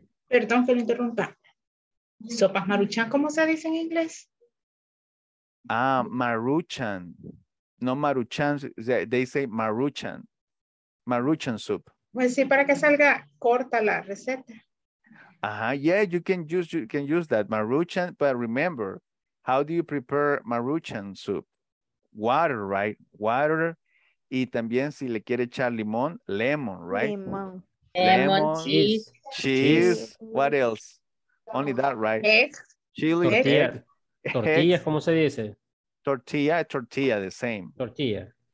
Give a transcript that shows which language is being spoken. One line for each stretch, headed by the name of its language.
Spanish: Perdón que lo interrumpa. Sopas maruchan, ¿cómo se dice en inglés?
English: Ah, maruchan. No maruchan, they say maruchan. Maruchan soup.
Spanish: Pues sí, para que salga corta la receta.
English: Yeah, you can use that Maruchan, but remember, how do you prepare Maruchan soup? Water, right? Water.
Spanish: Y también si le quiere echar limón,
English: lemon, right? Lemon, cheese. What else? Only that, right? Egg. Chili.
Spanish: Tortilla. Tortilla, ¿cómo se dice?
English: Tortilla, the same. Tortilla.